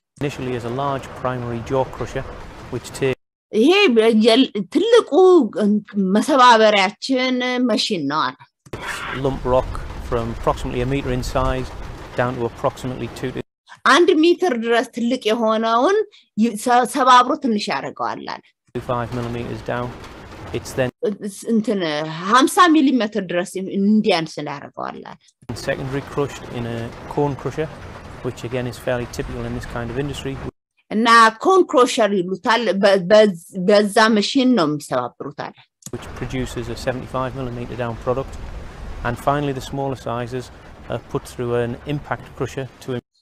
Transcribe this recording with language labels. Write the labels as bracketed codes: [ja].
[en] Initially is a large primary jaw crusher which [am] ይሄ ትልቁ መሰባበሪያችን ማሽን ነው አለ [en] lump rock from approximately a meter in size down to approximately 2 [am] 1 meter ድረስ ትልቅ የሆነውን ሰባብሮ ትንሽ ያረጋዋል አለ [en] 5 mm down it's then [am] እንትን 50 mm ድረስ እንዲያንስ ያረጋዋል አለ [en] secondary crushed in a cone crusher which again is fairly typical in this kind of industry [am] እና cone crusher ይሉታል በዛ ማሽን ነው የሚሰባብሩት አለ [en] which produces a 75 mm down product and finally the smaller sizes put through an impact crusher to